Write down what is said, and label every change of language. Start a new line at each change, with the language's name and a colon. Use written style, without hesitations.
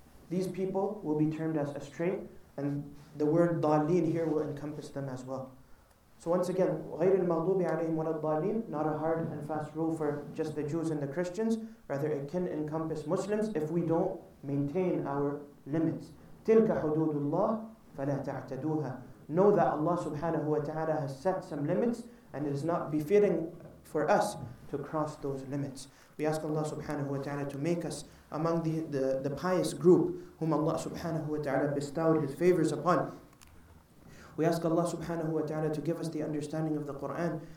English: These people will be termed as astray, and the word dalil here will encompass them as well. So once again,
Arabic: غير المغضوب عليهم ولا الضالين,
English: not a hard and fast rule for just the Jews and the Christians, rather it can encompass Muslims if we don't maintain our limits.
Arabic: تلك حدود الله فلا تعتدوها.
English: Know that Allah subhanahu wa ta'ala has set some limits, and it is not befitting for us to cross those limits. We ask Allah subhanahu wa ta'ala to make us among the pious group whom Allah subhanahu wa ta'ala bestowed His favors upon. We ask Allah subhanahu wa ta'ala to give us the understanding of the Qur'an.